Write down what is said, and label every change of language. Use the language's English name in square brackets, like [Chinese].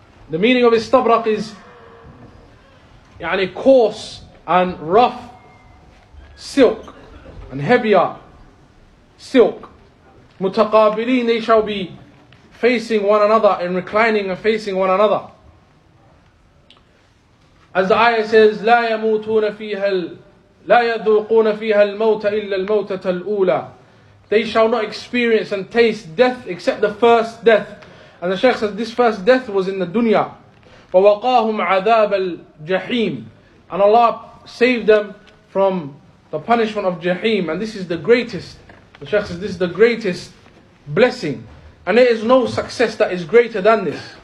[English] The meaning of istabarak is يعني coarse and rough silk and heavier silk. Mutaqabileen, they shall be facing one another and reclining and facing one another. [Arabic] As the ayah says, لا يموتون فيها لا يذوقون فيها الموت إلا الموتة الأولى. [English] They shall not experience and taste death except the first death. And the Shaykh says this first death was in the dunya. [Arabic] ووقاهم عذاب الجحيم. [English] And Allah saved them from the punishment of Jahim, and this is the greatest. The Shaykh says, this is the greatest blessing. And there is no success that is greater than this.